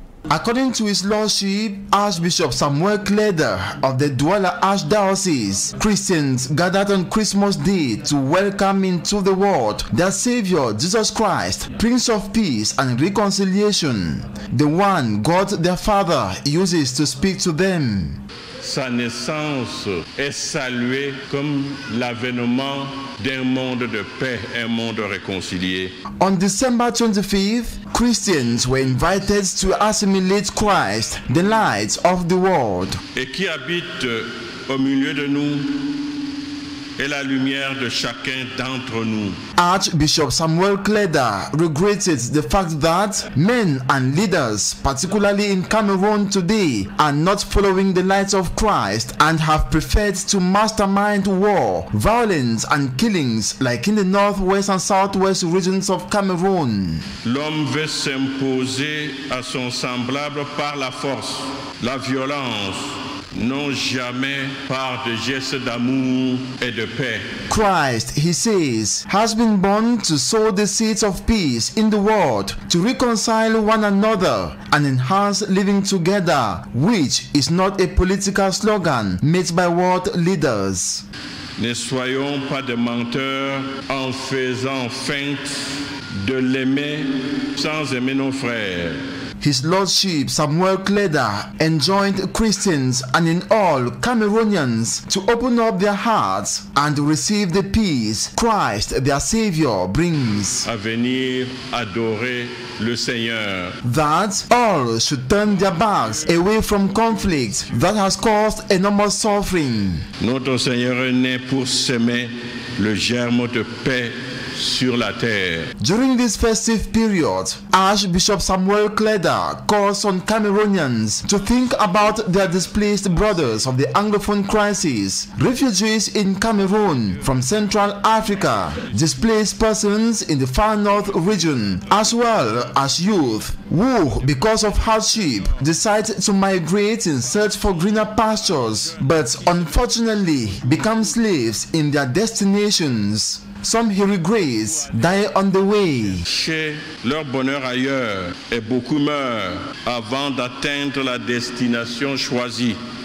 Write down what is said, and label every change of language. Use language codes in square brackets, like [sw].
[en] According to his lordship, Archbishop Samuel Kleda of the Douala Archdiocese, Christians gathered on Christmas Day to welcome into the world their Savior, Jesus Christ, Prince of Peace and Reconciliation, the one God their Father uses to speak to them. [fr] Sa naissance est saluée comme l'avènement d'un monde de paix, un monde réconcilié. [en] On December 25th, Christians were invited to assimilate Christ, the light of the world. [fr] Et qui habite au milieu de nous et la lumière de chacun d'entre nous. [en] Archbishop Samuel Kleda regretted the fact that men and leaders, particularly in Cameroon today, are not following the light of Christ and have preferred to mastermind war, violence and killings like in the northwest and southwest regions of Cameroon. [fr] L'homme veut s'imposer à son semblable par la force, la violence, non jamais par des gestes d'amour et de paix. [en] Christ, he says, has been born to sow the seeds of peace in the world, to reconcile one another and enhance living together, which is not a political slogan made by world leaders. [fr] Ne soyons pas des menteurs en faisant feinte de l'aimer sans aimer nos frères. [en] His Lordship Samuel Kleda enjoined Christians and in all Cameroonians to open up their hearts and receive the peace Christ, their Savior, brings. [fr] À venir adorer le Seigneur. [en] That all should turn their backs away from conflict that has caused enormous suffering. [fr] Notre Seigneur est né pour semer le germe de paix sur la terre. [en] During this festive period, Archbishop Samuel Kleda calls on Cameroonians to think about their displaced brothers of the Anglophone crisis, refugees in Cameroon from Central Africa, displaced persons in the far north region, as well as youth who, because of hardship, decide to migrate in search for greener pastures, but unfortunately become slaves in their destinations. Some, he regrets, die on the way. [fr] Chez leur bonheur ailleurs et beaucoup meurent avant d'atteindre la destination choisie.